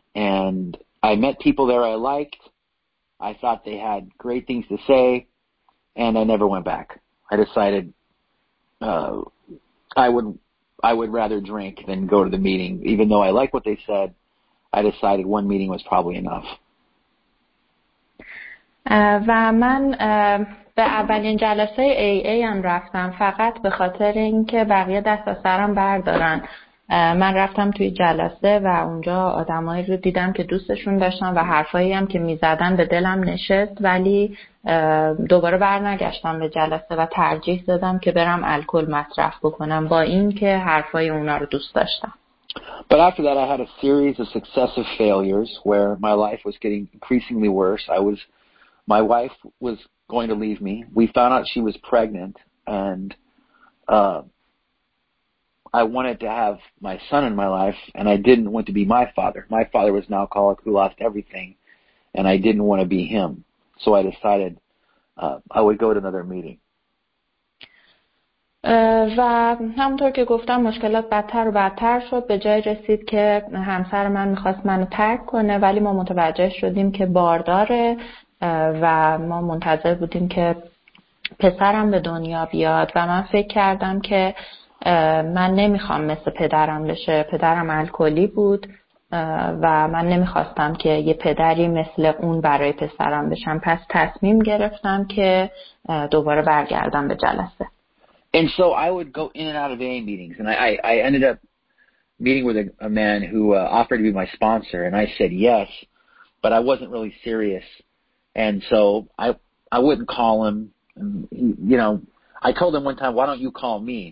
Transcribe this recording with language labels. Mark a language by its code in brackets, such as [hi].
[en] And I met people there I liked. I thought they had great things to say, and I never went back. I decided I would rather drink than go to the meeting, even though I like what they said. I decided one meeting was probably enough. [fa] و من به اولین جلسه AA هم رفتم فقط به خاطر اینکه بقیه دست از سرم بردارن، من رفتم توی جلسه و اونجا آدمایی رو دیدم که دوستشون داشتم و حرفایی هم که میزدن به دلم نشست، ولی دوباره برنگشتم به جلسه و ترجیح دادم که برم الکل مصرف بکنم با این که حرفای اونا رو دوست داشتم. [en] But after that I had a series of successive failures where my life was getting increasingly worse. My wife was going to leave me. We found out she was pregnant and I wanted to have my son in my life and I didn't want to be my father. My father was an alcoholic who lost everything and I didn't want to be him. So I decided I would go to another meeting. [fa] و همونطور که گفتم مشکلات بدتر و بدتر شد، به جای رسید که همسر من میخواست منو ترک کنه، ولی ما متوجه شدیم که بارداره و ما منتظر بودیم که پسرم به دنیا بیاد و من فکر کردم که من نمیخوام مثل پدرم بشه. پدرم الکلی بود و من نمیخواستم که یه پدری مثل اون برای پسرم بشم، پس تصمیم گرفتم که دوباره برگردم به جلسه. [en] And so I would go in and out of AA meetings, and I ended up meeting with a man who offered to be my sponsor, and I said yes, but I wasn't really serious, and so I wouldn't call him. And, you know, I told him one time, why don't you call me?